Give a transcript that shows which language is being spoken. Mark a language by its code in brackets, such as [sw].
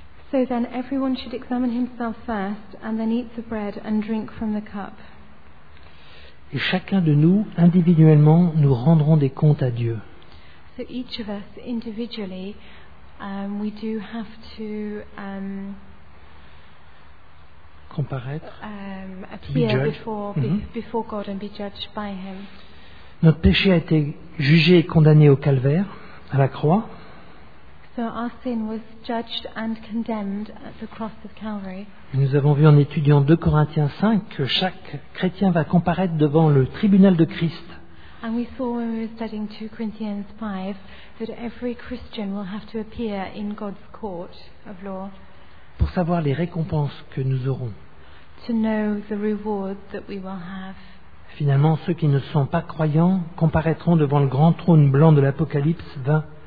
[en] So then everyone should examine himself first and then eat the bread and drink from the cup. [fr] Et chacun de nous, individuellement, nous rendrons des comptes à Dieu. [en] So each of us individually, we do have to [fr] comparaître, [en] appear before God and be judged by Him. [fr] Notre péché a été jugé et condamné au calvaire, à la croix. [en] So our sin was judged and condemned at the cross of Calvary. [fr] Nous avons vu en étudiant 2 Corinthiens 5 que chaque chrétien va comparaître devant le tribunal de Christ. [en] And we saw when we were studying 2 Corinthians 5 that every Christian will have to appear in God's court of law. [fr] Pour savoir les récompenses que nous aurons. [en] To know the reward that we will have. [fr] Finalement, ceux qui ne sont pas croyants comparaîtront devant le grand trône blanc de l'Apocalypse 20.